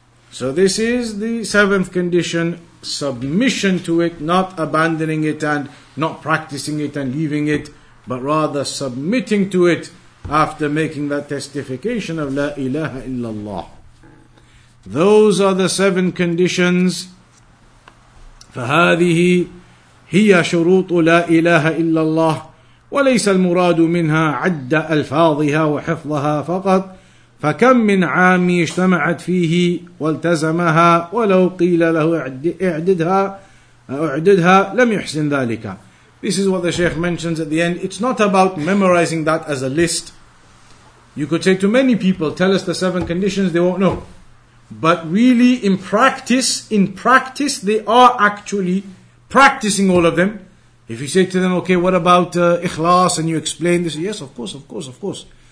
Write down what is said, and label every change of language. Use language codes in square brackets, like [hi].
[en] So this is the seventh condition, submission to it, not abandoning it and not practicing it and leaving it, but rather submitting to it after making that testification of La ilaha illallah. Those are the seven conditions. [ar] فهذه هي شروط لا إله إلا الله وليس المراد منها عد ألفاظها وحفظها فقط فكم من عام اجتمعت فيه والتزمها ولو قيل له اعددها لم يحسن ذلك. [en] This is what the Sheikh mentions at the end. It's not about memorizing that as a list. You could say to many people, tell us the seven conditions, they won't know. But really, in practice, they are actually practicing all of them. If you say to them, okay, what about ikhlas, and you explain this, yes, of course.